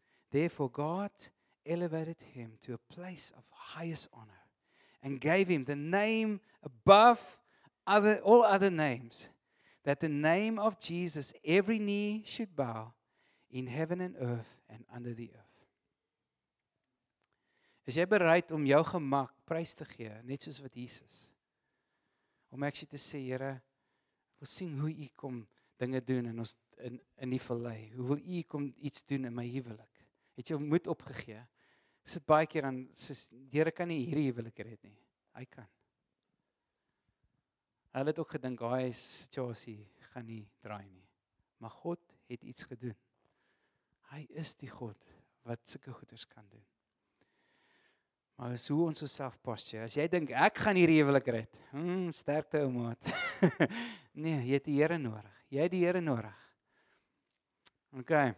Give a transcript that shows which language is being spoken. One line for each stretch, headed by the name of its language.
English: Therefore, God elevated him to a place of highest honor and gave him the name above all other names. That the name of Jesus, every knee should bow in heaven and earth and under the earth.
Afrikaans: Is jy bereid om jou gemak prys te gee, net soos wat Jesus? Om ek te sê, Here, ons sien hoe u kom dinge doen in ons in die vallei. Hoe wil u kom iets doen in my huwelik? Het jy moed opgegee? Sit baie keer aan, Here kan nie hierdie huwelik red nie. Hy kan. Hulle het ook gedink daai situasie gaan nie draai nie. Maar God het iets gedoen. Hy is die God wat sulke goeders kan doen. Maar is hoe ons osself posture. As jy dink ek gaan hierdie huwelik red, sterkte ou maat. Nee, jy het die Here nodig. Jy het die Here nodig. OK.